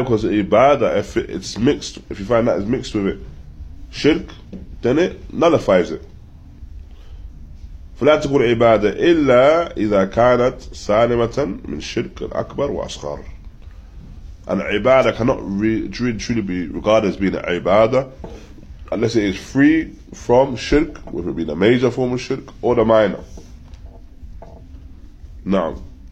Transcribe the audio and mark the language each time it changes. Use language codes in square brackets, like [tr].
[en] Because ibadah, if you find that it's mixed with it, shirk, then it nullifies it. [ar] فلا تقول عبادة إلا إذا كانت سالمة من شرك الأكبر وأصغر. [en] And ibadah cannot truly be regarded as being ibadah unless it is free from shirk, whether it be the major form of shirk or the minor. [ar] Na'am.